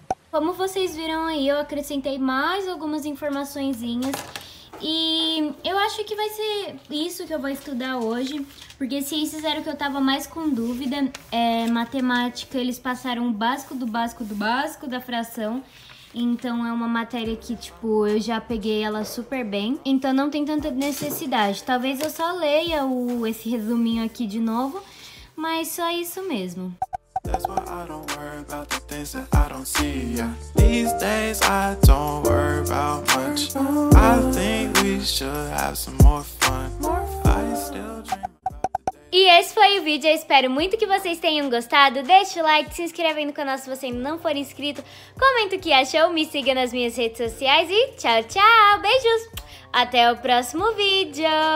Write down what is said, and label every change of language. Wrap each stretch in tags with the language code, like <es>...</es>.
<pt>Como vocês viram aí, eu acrescentei mais algumas informaçõezinhas e eu acho que vai ser isso que eu vou estudar hoje, porque ciências era o que eu tava mais com dúvida, matemática, eles passaram o básico do básico do básico da fração, então é uma matéria que, tipo, eu já peguei ela super bem, então não tem tanta necessidade. Talvez eu só leia esse resuminho aqui de novo, mas só isso mesmo.</pt> <en>That's why I don't worry about the things that I don't see, yeah. These days I don't worry about much. I think we should have some more fun. I still dream.</en> <pt>E esse foi o vídeo, eu espero muito que vocês tenham gostado. Deixa o like, se inscreve aí no canal se você ainda não for inscrito. Comenta o que achou, me siga nas minhas redes sociais e tchau, tchau. Beijos, até o próximo vídeo.</pt>